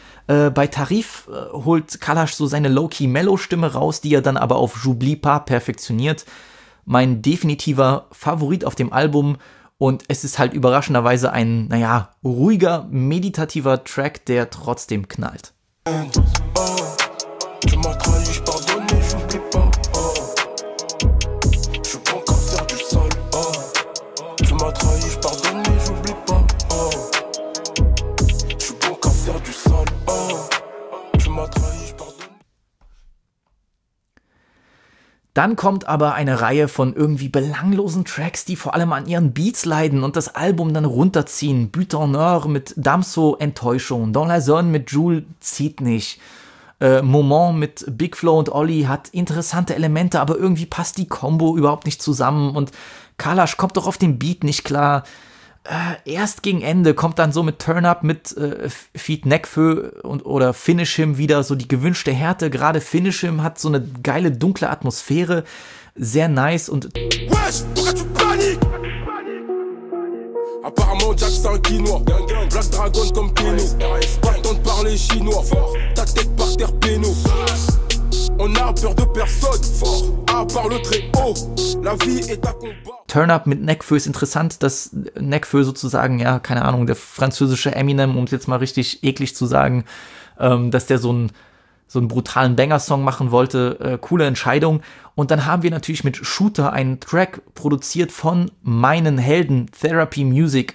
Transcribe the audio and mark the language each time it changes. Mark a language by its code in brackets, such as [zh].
[de] Bei Tarif holt Kalash so seine Low-Key-Mellow-Stimme raus, die er dann aber auf J'oublie pas perfektioniert. Mein definitiver Favorit auf dem Album. Und es ist halt überraschenderweise ein, naja, ruhiger, meditativer Track, der trotzdem knallt. [fr] Tu m'as trahi, je pardonne, j'oublie pas. Oh. Je suis bon qu'à faire du sol. Oh. Tu m'as trahi, je pardonne, j'oublie pas. Oh. Je suis bon qu'à faire du sol. Oh. Tu m'as trahi, je pardonne. [de] Dann kommt aber eine Reihe von irgendwie belanglosen Tracks, die vor allem an ihren Beats leiden und das Album dann runterziehen. But en or mit Damso, Enttäuschung. Dans la zone mit Jules zieht nicht. Moment mit Big Flo und Olli hat interessante Elemente, aber irgendwie passt die Combo überhaupt nicht zusammen und Kalash kommt doch auf den Beat nicht klar. Erst gegen Ende kommt dann so mit Turn Up mit Feed Neckfö und oder Finish Him wieder so die gewünschte Härte. Gerade Finish Him hat so eine geile dunkle Atmosphäre, sehr nice und. [fr] Wesh, pourquoi tu paniques? Apparemment Jackson Kinois, gang, gang. Black Dragon comme Kino, pas temps de parler chinois, fort, ta tête par terre péno. On a peur de personne, fort, à part le très haut, la vie est à combat. [de] Turn Up mit Nekfeu ist interessant, dass Nekfeu sozusagen, ja, keine Ahnung, der französische Eminem, um es jetzt mal richtig eklig zu sagen, dass der so einen brutalen Banger-Song machen wollte, coole Entscheidung. Und dann haben wir natürlich mit Shooter einen Track produziert von meinen Helden, Therapy Music.